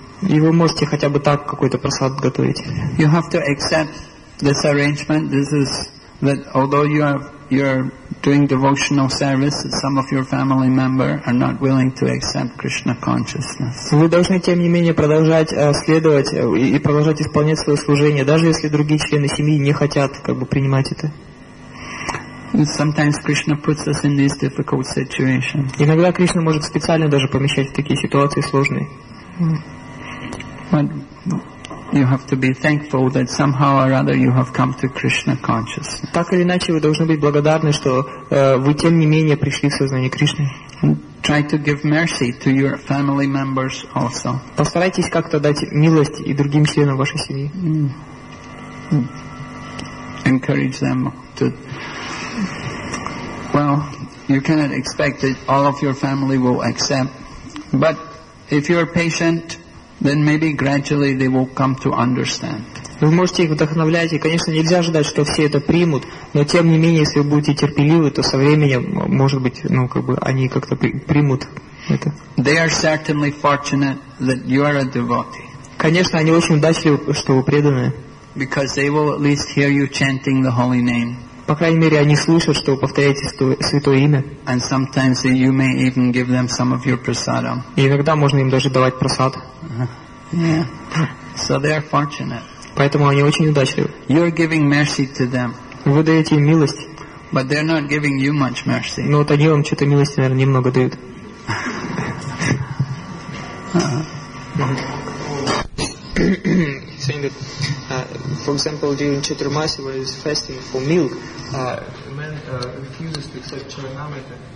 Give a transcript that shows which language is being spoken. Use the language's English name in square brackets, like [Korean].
[Russian] И вы можете хотя бы так какой-то прасад готовить. [English] You have to accept this arrangement. This is that although you're doing devotional service, that some of your family member are not willing to accept Krishna consciousness. [Russian] Вы должны тем не менее продолжать следовать и продолжать исполнять свое служение, даже если другие члены семьи не хотят как бы принимать это. [English] Sometimes Krishna puts us in these difficult situations. [Russian] Иногда Кришна может специально даже помещать в такие ситуации сложные. [English] You have to be thankful that somehow or other you have come to Krishna consciousness. [Russian] Так или иначе, вы должны быть благодарны, что вы тем не менее пришли в сознание Кришны. [English] Try to give mercy to your family members also. [Russian] Постарайтесь как-то дать милость и другим членам вашей семьи. [English] Encourage them to. Well, you cannot expect that all of your family will accept. But if you are patient, then maybe gradually they will come to understand. [Russian] Вы можете их вдохновлять, и, конечно, нельзя ожидать, что все это примут, но тем не менее, если вы будете терпеливы, то со временем, может быть, ну, как бы, они как-то примут это. [English] They are certainly fortunate that you are a devotee. [Russian] Конечно, они очень удачливы, что вы преданные. [English] Because they will at least hear you chanting the holy name. [Russian] По крайней мере, они слышат, что вы повторяете святое имя. [English] And sometimes you may even give them some of your prasadam. [Russian] И иногда можно им даже давать прасад. [English] So they are fortunate. [Russian] Поэтому они очень удачливы. [English] You are giving mercy to them. [Russian] Вы даете им милость. [English] But they're not giving you much mercy. [Russian] Но вот они вам что-то милости, наверное, немного дают. [English] Saying that, for example, during Chaturmasi, when he is fasting for milk, a man refuses to accept charanamrita.